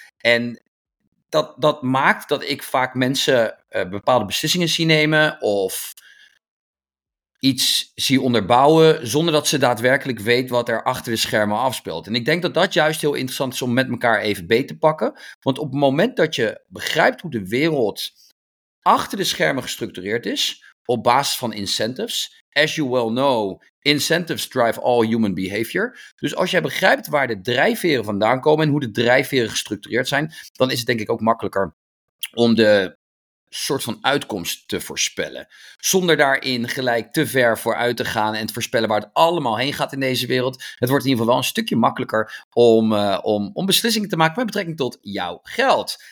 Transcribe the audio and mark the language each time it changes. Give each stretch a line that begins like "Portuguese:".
Dutch: En dat maakt dat ik vaak mensen bepaalde beslissingen zie nemen of iets zie onderbouwen zonder dat ze daadwerkelijk weet wat er achter de schermen afspeelt. En ik denk dat dat juist heel interessant is om met elkaar even beet te pakken. Want op het moment dat je begrijpt hoe de wereld achter de schermen gestructureerd is op basis van incentives.
English: As you well know, incentives drive all human behavior.
Dutch: Dus als jij begrijpt waar de drijfveren vandaan komen en hoe de drijfveren gestructureerd zijn, dan is het denk ik ook makkelijker om de soort van uitkomst te voorspellen. Zonder daarin gelijk te ver vooruit te gaan en te voorspellen waar het allemaal heen gaat in deze wereld. Het wordt in ieder geval wel een stukje makkelijker om beslissingen te maken met betrekking tot jouw geld.